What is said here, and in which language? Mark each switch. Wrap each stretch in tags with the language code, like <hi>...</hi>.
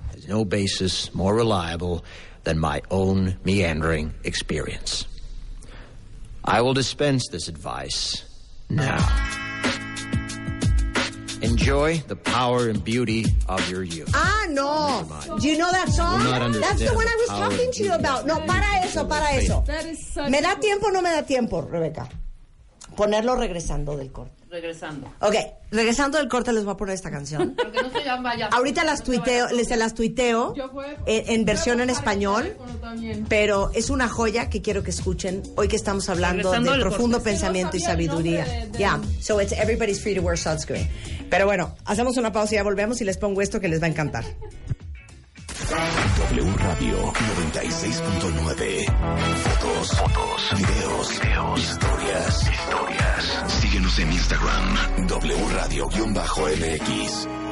<en>There's no basis more reliable than my own meandering experience. I will dispense this advice now. Enjoy the power and beauty of your youth. Ah, no. Do you know that song? That's the one I was talking to you about.</en> <es>No, para eso, para eso. ¿Me da tiempo o no me da tiempo, Rebeca? Ponerlo regresando del corte. Regresando. Okay, regresando del corte les voy a poner esta canción. Porque no se llama ya. Ahorita las tuiteo, se las tuiteo en versión en español, pero es una joya que quiero que escuchen hoy que estamos hablando de profundo pensamiento y sabiduría.</es> <en>Yeah, so it's everybody's free to wear sunscreen.</en> <es>Pero bueno, hacemos una pausa y ya volvemos y les pongo esto que les va a encantar. W Radio 96.9. Fotos, fotos, videos, videos, historias, historias. Síguenos en Instagram, W Radio-MX.</es>